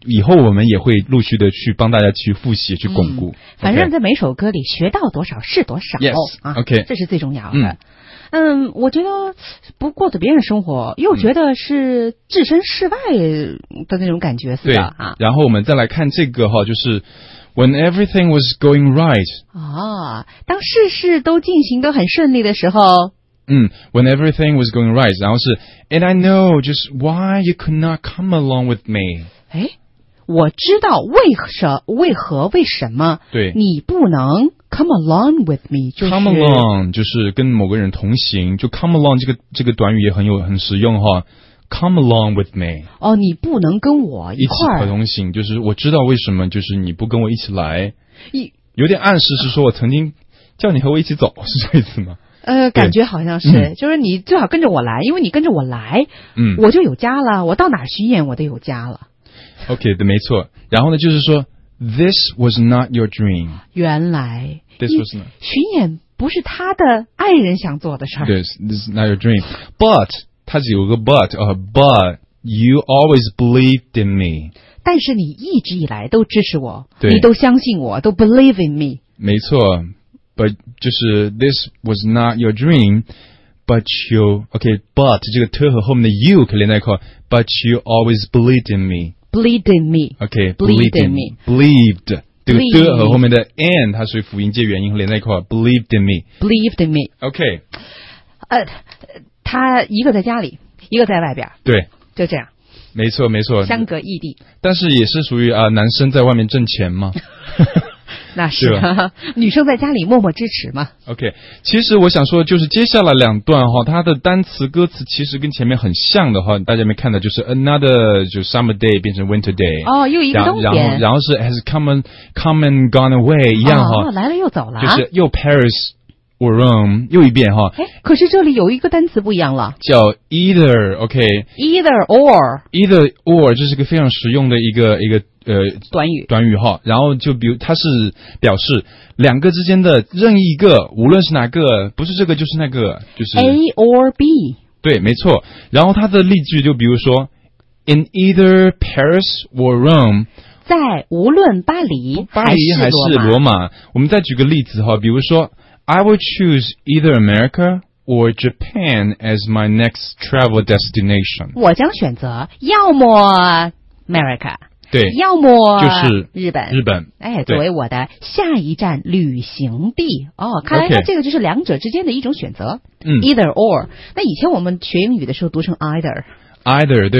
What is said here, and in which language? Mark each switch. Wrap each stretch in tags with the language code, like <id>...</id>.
<zh>以后我们也会陆续的去帮大家去复习、去巩固。嗯、反正，在每首歌里学到多少是多少。</zh> <en>Yes、啊。 OK。</en> <zh>这是最重要的。嗯，我觉得不过着别人的生活，又觉得是置身事外的那种感觉似的、啊、然后我们再来看这个哈，就是。</zh> <en>When everything was going right.</en> <zh>啊，当事事都进行得很顺利的时候。</zh> <en>嗯 ，When everything was going right，</en> <zh>然后是</zh> <en>And I know just why you could not come along with me。</en> <zh>哎，我知道为什么？对，你不能</zh> <en>come along with me、</en> <zh>就是。</zh> <en>Come along</en> <zh>就是跟某个人同行，就 come along 这个短语也很实用哈。</zh> <en>Come along with me。</en> <zh>哦，你不能跟我一起一同行，就是我知道为什么，就是你不跟我一起来，有点暗示是说我曾经叫你和我一起走，是这意思吗？感觉好像是、嗯，就是你最好跟着我来，因为你跟着我来，嗯，我就有家了，我到哪巡演我都有家了。 OK， 对，没错。然后呢，就是说</zh> <en>，This was not your dream。</en> <zh>原来</zh> <en>，This was not</en> <zh>巡演不是他的爱人想做的事儿。</zh> <en>Yes, this is not your dream, but。</en> <zh>他只有个</zh> <en>but、but you always believed in me，</en> <zh>但是你一直以来都支持我，对，你都相信我，都</zh> <en>believe in me，</en> <zh>没错。</zh> <en>but 就是 this was not your dream but you ok but 这个 t 和后面的 you</en> <zh>可以连在一块，</zh> <en>but you always believed in me， believed in me， ok believed in me，</en> <zh>believed 这个 t 和后面的 and 它是辅音接元音连在一块，</zh> <en>believed in me， believed in me， ok</en> <zh>他一个在家里，一个在外边，对，就这样，没错没错，相隔异地，但是也是属于啊、男生在外面挣钱嘛，那是吧，女生在家里默默支持嘛。 OK， 其实我想说就是接下来两段哈，它的单词歌词其实跟前面很像的哈，大家没看到就是 another 就</zh> <en>summer day</en> <zh>变成</zh> <en>winter day，</en> <zh>哦，又一个冬天，然后是</zh> <en>has come and gone away</en> <zh>一样哈、哦，来了又走了，就是又 Paris。 Or Rome 又一遍哈，可是这里有一个单词不一样了，叫 either，OK，、okay,</zh> <en>either or，</en> <zh>这是个非常实用的一个短语哈，然后就比如它是表示两个之间的任意一个，无论是哪个，不是这个就是那个，就是</zh> <en>A or B，</en> <zh>对，没错，然后它的例句就比如说 ，</zh> <en>in either Paris or Rome。</en> <zh>在无论巴黎还是罗马，我们再举个例子哈，比如说 ，</zh> <en>I will choose either America or Japan as my next travel destination。</en> <zh>我将选择要么 America，对，要么就是日本，日本，哎，作为我的下一站旅行地。哦，看来这个就是两者之间的一种选择，嗯</zh> <en>，either or。</en> <zh>那以前我们学英语的时候读成 either。</zh> <en>Either</en> <zh>对</zh>